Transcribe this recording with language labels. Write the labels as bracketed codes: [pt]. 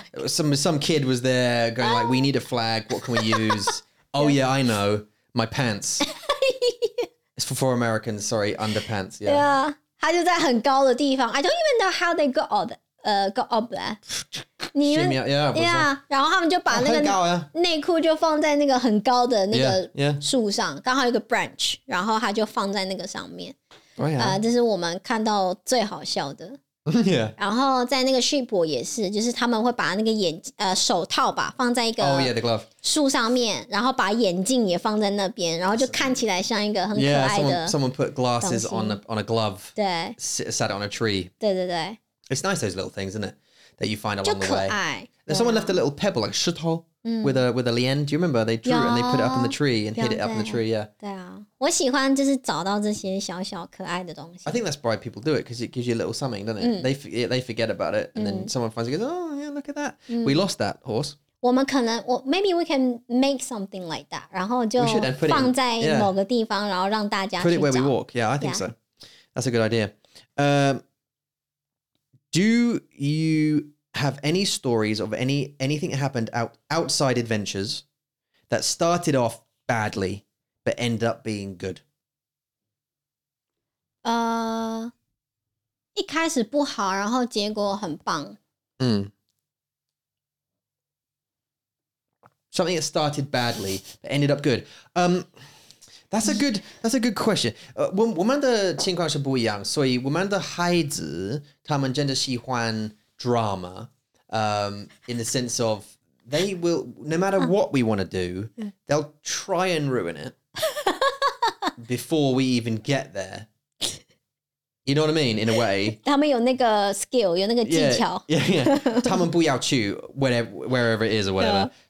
[en] Some kid was there going like, we need a flag, what can we use? Oh yeah, I know, my pants. It's for Americans, sorry, underpants, yeah. Yeah, [zh] 它就在很高的地方 [en] I don't even know how they got all that. Got up there. [zh] 你们 yeah, 然后他们就把那个内裤就放在那个很高的那个树上 [en] yeah. [zh] 刚好有个 branch 然后他就放在那个上面、 [en] yeah. [zh] 这是我们看到最好笑的、 [en] yeah. [zh] 然后在那个 sheep 也是就是他们会把那个手套吧放在一个树上面、 [en] oh, yeah, [zh] 然后把眼镜也放在那边然后就看起来像一个很可爱的 [en] yeah, someone put glasses on a glove [zh] 对 [en] sat on a tree [zh] 对 [en] It's nice, those little things, isn't it? That you find along the way. [zh] 就可爱。 [en] Someone left a little pebble, like 石头with a lien. Do you remember? They drew it and they put it up in the tree and hid it up in the tree, yeah. [zh] 对啊。我喜欢就是找到这些小小可爱的东西。 [en] I think that's why people do it, because it gives you a little something, doesn't it? They forget about it, and then someone finds it and goes, oh, yeah, look at that. We lost that horse. [zh] 我们可能, [en] maybe we can make something like that, [zh] 然后就放在某个地方, 然后让大家去找。 [en] Put it where we walk, yeah, I think so. That's a good idea. Do you have any stories of anything that happened outside adventures that started off badly but ended up being good? [zh] 一开始不好，然后结果很棒。 [en] Something that started badly but ended up good. That's a good question. [zh] 我们的情况是不一样，所以我们的孩子他们真的喜欢 drama. [en] In the sense of they will, no matter what we want to do, they'll try and ruin it before we even get there. You know what I mean? In a way, [zh] 他们有那个 [en] skill, [zh] 有那个技巧 [en] Yeah. [zh] 他们不要去 [en] wherever it is or whatever. Yeah.